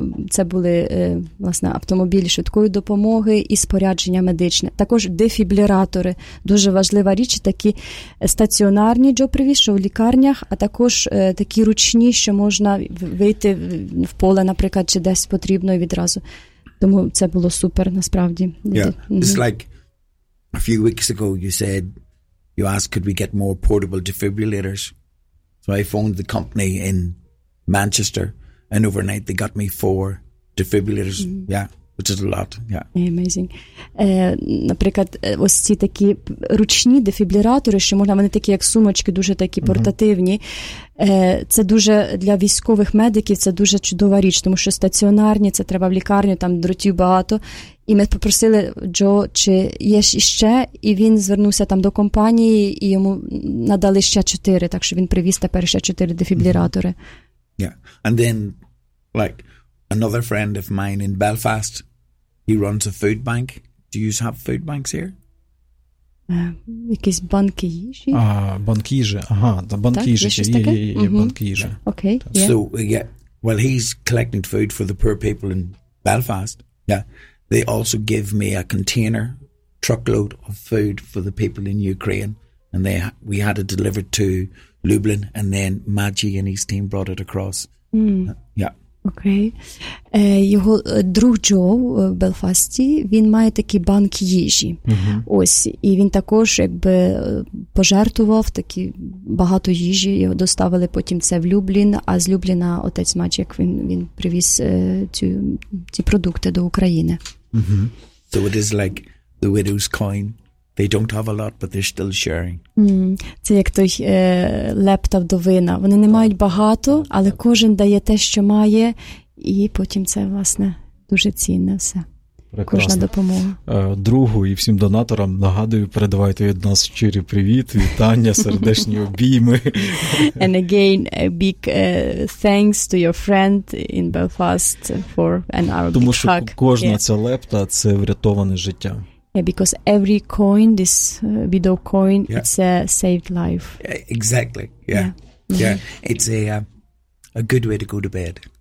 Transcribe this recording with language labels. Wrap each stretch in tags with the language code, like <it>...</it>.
<uk>Це були, власне, автомобілі швидкої допомоги і спорядження медичне. Також дефібрилятори. Дуже важлива річ. Такі стаціонарні, Джо привіз, що в лікарнях, а також такі які ручні, що можна вийти в поле, наприклад, чи десь потрібно відразу. Тому це було супер, насправді.</uk> <en>Yeah. Mm-hmm. It's like a few weeks ago you asked, could we get more portable defibrillators? So I phoned the company in Manchester, and overnight they got me 4 defibrillators. Mm-hmm. Yeah. Which is a lot. Yeah. Amazing.</en> <uk>Наприклад, ось ці такі ручні дефібрилятори, що можна, вони такі як сумочки, дуже такі mm-hmm. портативні. Це дуже для військових медиків, це дуже чудова річ, тому що стаціонарні, це треба в лікарню, там дротів багато. І ми попросили Джо, чи є ще, і він звернувся там до компанії, і йому надали ще 4, так що він привіз тепер ще 4 дефібрилятори.</uk> <en>Mm-hmm. Yeah. And then, like, another friend of mine in Belfast, he runs a food bank. Do you have food banks here?</en> <uk>Якісь банки їжі? Банки їжі. Ага, та банки їжі. Є банки їжі.</uk> <en>Okay. Yeah. So, yeah, well, he's collecting food for the poor people in Belfast. Yeah. They also give me a container, truckload of food for the people in Ukraine. And we had it delivered to Lublin, and then Maggi and his team brought it across. Mm. Yeah.</en> <uk>Окей. Його друг Джо в Белфасті, він має такий банк їжі. Uh-huh. Ось, і він також якби пожертвував такі багато їжі, його доставили потім це в Люблін, а з Любліна отець Мачек, він привіз ці продукти до України.</uk> <en>Uh-huh. So it is like the widow's coin. They don't have a lot, but they're still sharing.</en> <uk>Mm. Це як той леп та вдовина. Вони не мають багато, але кожен дає те, що має, і потім це, власне, дуже цінне все. Прекрасно. Кожна допомога. Другу і всім донаторам нагадую, передавайте від нас щирі привіт, вітання, сердечні обійми.</uk> <en>And again, a big thanks to your friend in Belfast for an hour.</en> <uk>Тому що кожна ця лепта – це врятоване життя.</uk> <en>Yeah, because every coin, this widow coin, yeah. it's a saved life. Exactly. Yeah. Yeah. yeah. It's a good way to go to bed.</en>